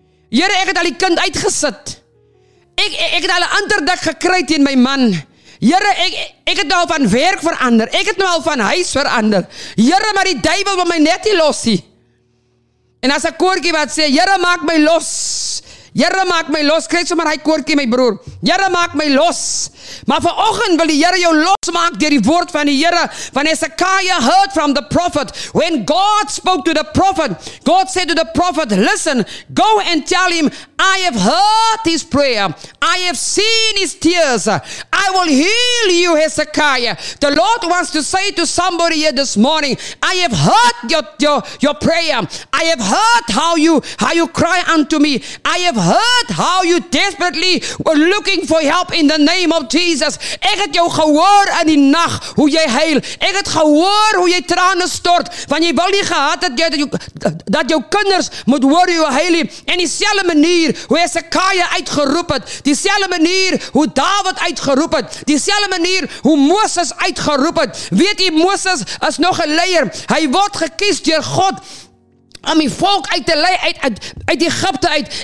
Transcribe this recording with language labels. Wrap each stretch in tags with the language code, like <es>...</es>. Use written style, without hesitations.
<af>Here, ek het al die kind uitgesit. Ek het al 'n ander dak gekry teen my man. Here, ek het nou van werk verander. Ek het nou al van huis verander. Here, maar die duiwel wil my net nie los nie. En as 'n koortjie wat sê, Here, maak my los. Here, maak my los. Kry sommer hy koortjie, my broer. Here, maak my los. Maar vanoggend wil die Here jou losmaak deur die woord van die Here.</af> <en>Want Hezekiah heard from the prophet. When God spoke to the prophet, God said to the prophet, listen, go and tell him, I have heard his prayer. I have seen his tears. I will heal you, Hezekiah. The Lord wants to say to somebody here this morning, I have heard your prayer. I have heard how you cry unto me. I have heard how you desperately were looking for help in the name of Jesus.</en> <af>Ek het jou gehoor in die nag hoe jy huil. Ek het gehoor hoe jy trane stort, want jy wil nie gehad het dat jou kinders moet hoor jy huil nie. En dieselfde manier hoe Hezekiah uitgeroep het, dieselfde manier hoe David uitgeroep het, dieselfde manier hoe Moses uitgeroep het. Weet jy, Moses is nog 'n leier. Hy word gekies deur God om die volk uit te lei uit Egypte uit.</af>